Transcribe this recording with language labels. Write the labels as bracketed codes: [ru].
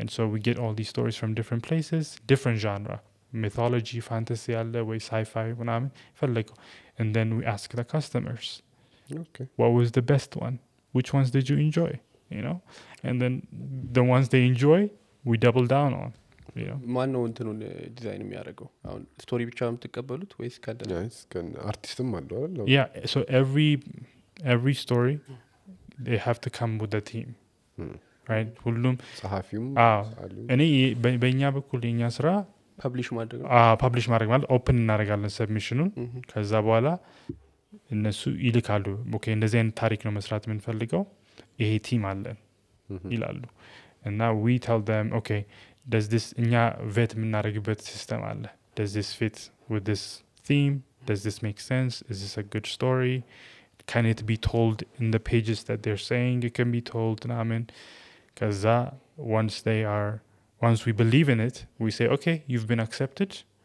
[en] And so we get all these stories from different places, different genre, mythology, fantasy, sci-fi, and then we ask the customers, okay, what was the best one? Which ones did you enjoy? You know? And then the ones they enjoy, we double down on. [am] ማን ነው እንትኑን ዲዛይን የሚያደርገው አሁን ስቶሪ ብቻ ነው ተቀበሉት ወይስ ካደ ነው ስካን አርቲስትም አለው አይደል [en] ነው ያ ሶ ኤቭሪ ስቶሪ ዴ ሃቭ ቱ ካም ዊዝ ዘ ቲም ራይት [am] ሁሉም ጸሐፊውም አሉ እኔ በእኛ በኩል የኛ ስራ ፐብሊሽ ማድረግ ነው አዎ ፐብሊሽ ማድረግ ማለት ኦፕን እናደርጋለን ሰብሚሽኑን ከዛ በኋላ እነሱ ይልካሉ ኦኬ እንደዚህ አይነት ታሪክ ነው መስራት የምንፈልገው ይሄ ቲም አለን ይላሉ እና ዊ ቴል them ኦኬ [en] Does this [am] nya vet minaregibet system alle? [en] Does this fit with this theme? Does this make sense? Is this a good story? Can it be told in the pages that they're saying it can be told? I mean, kaza once we believe in it, we say, okay, you've been accepted.